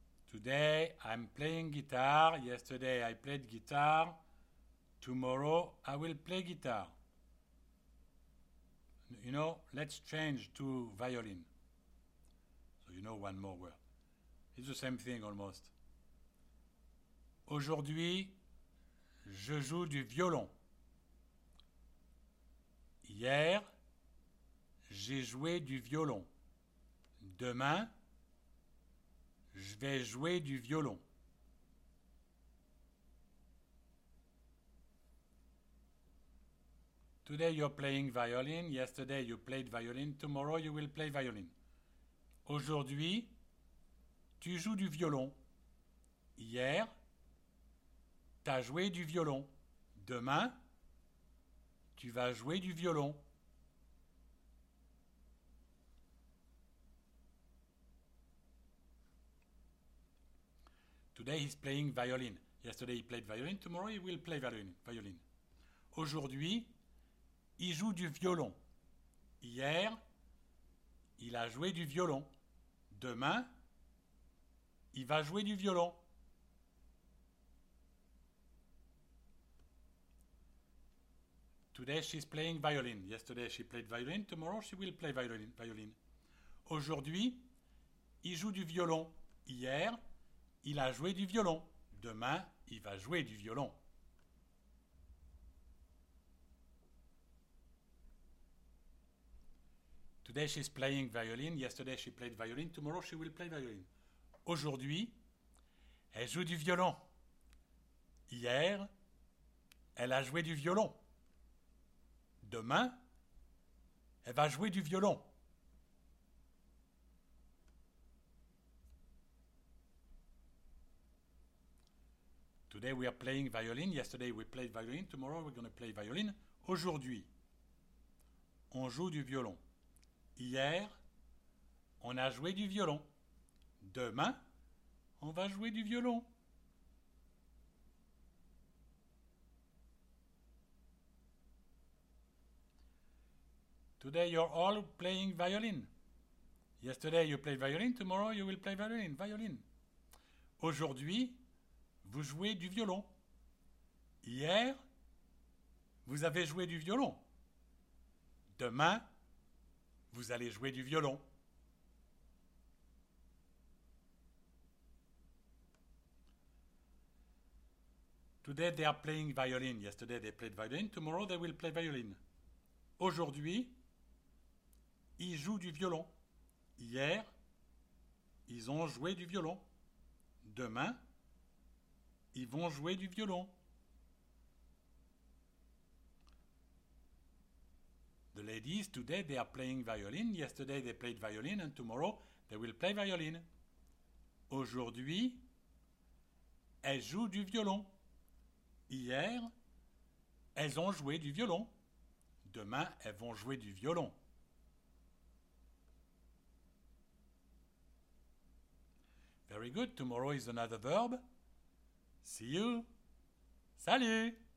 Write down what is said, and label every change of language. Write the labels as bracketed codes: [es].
[en] Today I'm playing guitar. Yesterday I played guitar. Tomorrow, I will play guitar. You know, let's change to violin. So you know one more word. It's the same thing almost. [fr] Aujourd'hui, je joue du violon. Hier, j'ai joué du violon. Demain, je vais jouer du violon. [en] Today you're playing violin, yesterday you played violin, tomorrow you will play violin. [fr] Aujourd'hui, tu joues du violon. Hier, t'as joué du violon. Demain, tu vas jouer du violon. [en] Today he's playing violin. Yesterday he played violin, tomorrow he will play violin. [fr] Aujourd'hui, il joue du violon. Hier, il a joué du violon. Demain, il va jouer du violon. [en] Today she's playing violin. Yesterday she played violin. Tomorrow she will play violin. [fr] Aujourd'hui, il joue du violon. Hier, il a joué du violon. Demain, il va jouer du violon. [en] Today she's playing violin, yesterday she played violin, tomorrow she will play violin. [fr] Aujourd'hui, elle joue du violon. Hier, elle a joué du violon. Demain, elle va jouer du violon. [en] Today we are playing violin, yesterday we played violin, tomorrow we're going to play violin. [fr] Aujourd'hui, on joue du violon. Hier, on a joué du violon. Demain, on va jouer du violon. [en] Today you're all playing violin. Yesterday you played violin, tomorrow you will play violin. [fr] Aujourd'hui, vous jouez du violon. Hier, vous avez joué du violon. Demain, vous allez jouer du violon. [en] Today they are playing violin. Yesterday they played violin. Tomorrow they will play violin. [fr] Aujourd'hui, ils jouent du violon. Hier, ils ont joué du violon. Demain, ils vont jouer du violon. [en] The ladies, today they are playing violin, yesterday they played violin, and tomorrow they will play violin. [fr] Aujourd'hui, elles jouent du violon. Hier, elles ont joué du violon. Demain, elles vont jouer du violon. [en] Very good, tomorrow is another verb. See you. [fr] Salut!